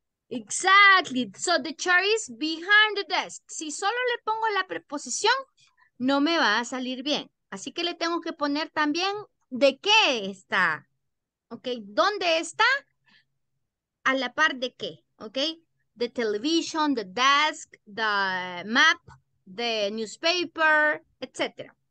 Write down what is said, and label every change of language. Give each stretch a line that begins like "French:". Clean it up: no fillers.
English: Exactly, so the chair is behind the desk.
Spanish: Si solo le pongo la preposición, no me va a salir bien. Así que le tengo que poner también de qué está, ¿ok? ¿Dónde está? A la par de qué, ¿ok?
English: The television, the desk, the map, the newspaper, etc.